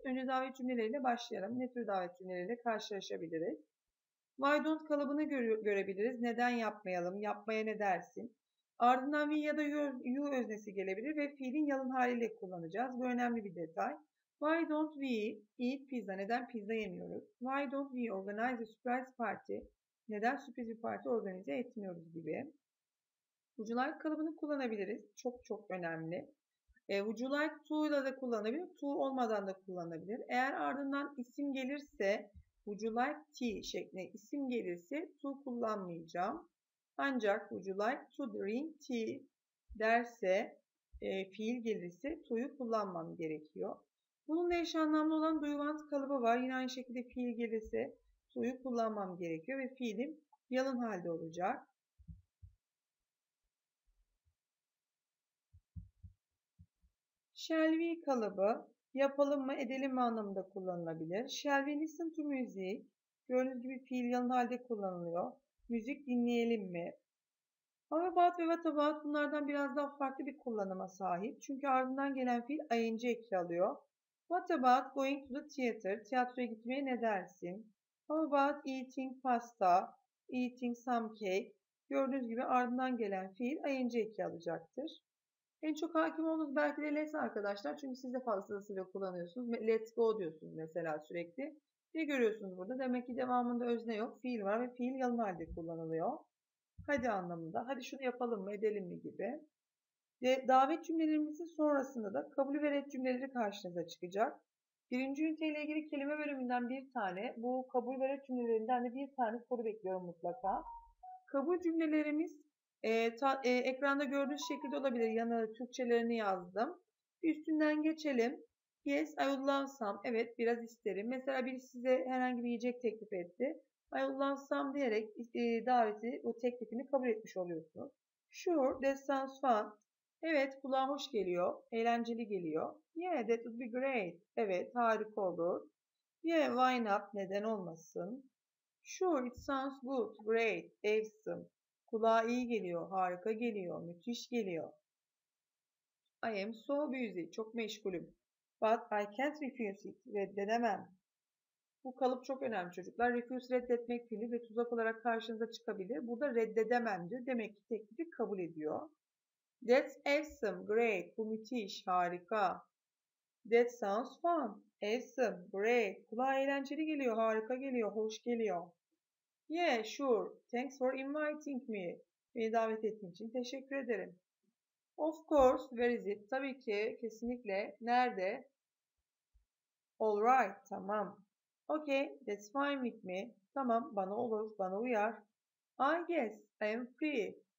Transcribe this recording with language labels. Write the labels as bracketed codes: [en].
[tr] Önce davet cümleleriyle başlayalım. Ne tür davet cümleleriyle karşılaşabiliriz? Why don't kalıbını görebiliriz. Neden yapmayalım, yapmaya ne dersin? Ardından we ya da you öznesi gelebilir ve fiilin yalın haliyle kullanacağız. [en] Bu önemli bir detay. Why don't we eat pizza? [tr] Neden pizza yemiyoruz? [en] Why don't we organize a surprise party? [tr] Neden sürpriz bir parti organize etmiyoruz gibi. Would you like kalıbını kullanabiliriz. Çok çok önemli. Would you like to ile de kullanabilir. To olmadan da kullanabilir. Eğer ardından isim gelirse would you like tea şeklinde isim gelirse to kullanmayacağım. Ancak would you like to drink tea derse fiil gelirse to'yu kullanmam gerekiyor. Bununla eş anlamlı olan do you want kalıbı var. Yine aynı şekilde fiil gelirse to'yu kullanmam gerekiyor ve fiilim yalın halde olacak. Shall we kalıbı yapalım mı edelim mi anlamında kullanılabilir. [en] Shall we listen to music? [tr] Gördüğünüz gibi fiil yalın halde kullanılıyor. Müzik dinleyelim mi? How about ve what about bunlardan biraz daha farklı bir kullanıma sahip. Çünkü ardından gelen fiil ing ekli alıyor. [en] What about going to the theater? [tr] Tiyatroya gitmeye ne dersin? [en] How about eating pasta, eating some cake? [tr] Gördüğünüz gibi ardından gelen fiil ing eki alacaktır. En çok hakim olduğunuz belki de let arkadaşlar. Çünkü siz de fazlasıyla kullanıyorsunuz. Let's go diyorsunuz mesela sürekli. Ne görüyorsunuz burada? Demek ki devamında özne yok. Fiil var ve fiil yalın halde kullanılıyor. Hadi anlamında. Hadi şunu yapalım mı edelim mi gibi. Davet cümlelerimizin sonrasında da kabul ve ret cümleleri karşınıza çıkacak. Birinci üniteyle ilgili kelime bölümünden bir tane, bu kabul ve ret cümlelerinden de bir tane soru bekliyorum mutlaka. Kabul cümlelerimiz ekranda gördüğünüz şekilde olabilir. Yanına Türkçelerini yazdım. Üstünden geçelim. Yes, I would love some. Evet, biraz isterim. Mesela biri size herhangi bir yiyecek teklif etti. I would love some diyerek daveti, o teklifini kabul etmiş oluyorsunuz. Sure, that sounds fun. Evet, kulağa hoş geliyor, eğlenceli geliyor. [en] Yeah, that would be great. Evet, harika olur. Yeah, why not? Neden olmasın? Sure, it sounds good, great, awesome. [tr] Kulağa iyi geliyor, harika geliyor, müthiş geliyor. I am so busy, çok meşgulüm. [en] But I can't refuse it, reddedemem. [tr] Bu kalıp çok önemli çocuklar. Refuse, reddetmek fiili ve tuzak olarak karşınıza çıkabilir. Burada reddedememdir, demek ki teklifi kabul ediyor. That's awesome, great, bu müthiş, harika. That sounds fun, awesome, great. Kulağa eğlenceli geliyor, harika geliyor, hoş geliyor. [en] Yeah, sure, thanks for inviting me. [tr] Beni davet ettiğin için teşekkür ederim. [en] Of course, where is it? Tabii ki, kesinlikle. Nerede? Alright, tamam. Okay, that's fine with me. [tr] Tamam, bana olur, bana uyar. I guess, I am free.